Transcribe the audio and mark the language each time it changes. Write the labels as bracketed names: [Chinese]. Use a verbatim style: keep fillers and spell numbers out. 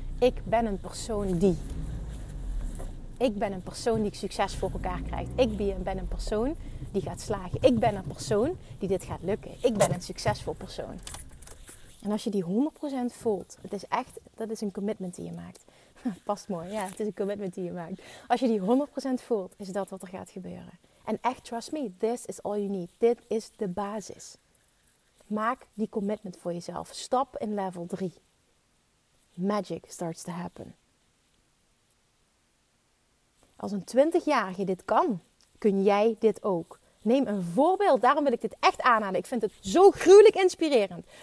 [Dutch] Ik ben een persoon die. Ik ben een persoon die ik succes voor elkaar krijgt. Ik ben een persoon die gaat slagen. Ik ben een persoon die dit gaat lukken. Ik ben een succesvol persoon. En als je die honderd procent voelt, het is echt, dat is een commitment die je maakt. Past mooi, ja, het is een commitment die je maakt. Als je die honderd procent voelt, is dat wat er gaat gebeuren. En echt, [English] trust me, this is all you need. [Dutch] Dit is de basis. Maak die commitment voor jezelf. Stap in level drie. [English] Magic starts to happen. [Dutch] Als een twintigjarige dit kan, kun jij dit ook. Neem een voorbeeld, daarom wil ik dit echt aanhalen. Ik vind het zo gruwelijk inspirerend.